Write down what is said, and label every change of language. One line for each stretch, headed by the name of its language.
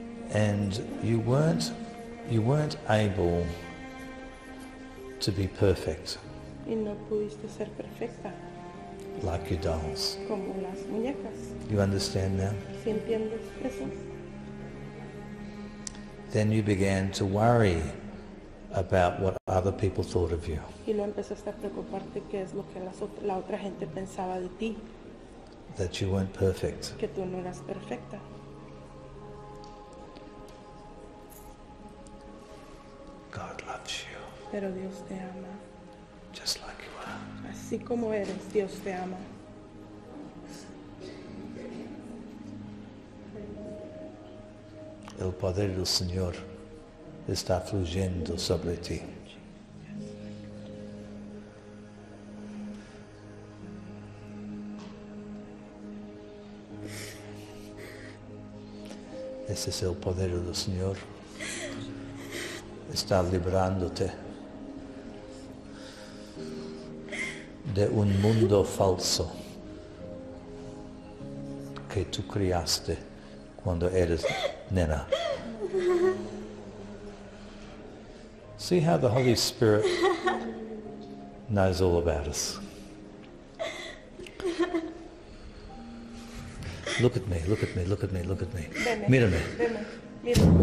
English: And you weren't able to be perfect.
Spanish: Y no pudiste ser perfecta.
English: Like your dolls.
Spanish: Como las muñecas.
English: You understand now?
Spanish: ¿Sí entiendes eso?
English: Then you began to worry about what other people thought of you.
Spanish: Y luego empezaste a preocuparte qué es lo que la otra gente pensaba de ti.
English: That you weren't perfect.
Spanish: Que tú no eras perfecta.
English: God loves you.
Spanish: Pero Dios te ama.
English: Just like you are.
Spanish: Así como eres, Dios te ama. El poder del Señor está fluyendo sobre ti. Ese es el poder del Señor. Está librándote de un mundo falso que tú creaste cuando eres nena.
English: See how the Holy Spirit knows all about us. Look at me, look at me, look at me, look at me.
Spanish: Mírame.